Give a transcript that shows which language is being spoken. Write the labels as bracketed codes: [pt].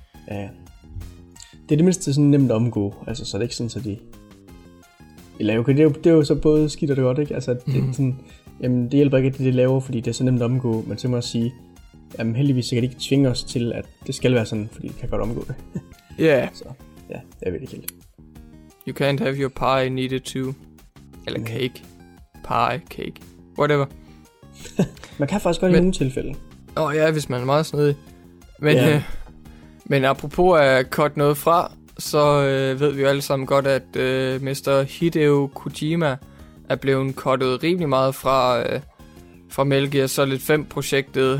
[da] Det er det mindste sådan nemt at omgå, altså, så er det ikke sådan, at de... Eller okay, det er jo så både skidt og det godt, ikke? Altså, det, sådan, jamen, det hjælper ikke, at de laver, fordi det er så nemt at omgå, men så må jeg sige, jamen heldigvis kan de ikke tvinge os til, at det skal være sådan, fordi de kan godt omgå det. Ja. Yeah. Så, ja, det er virkelig helt. [en] You can't have your pie and eat it too. Eller cake. Pie, cake. Whatever. [da] Man kan faktisk godt men... i nogle tilfælde. Åh ja, hvis man er meget snedig. Men, yeah. Men apropos at cut noget fra, så ved vi jo alle sammen godt, at Mr. Hideo Kojima er blevet cuttet rimelig meget fra, fra Metal Gear Solid 5-projektet.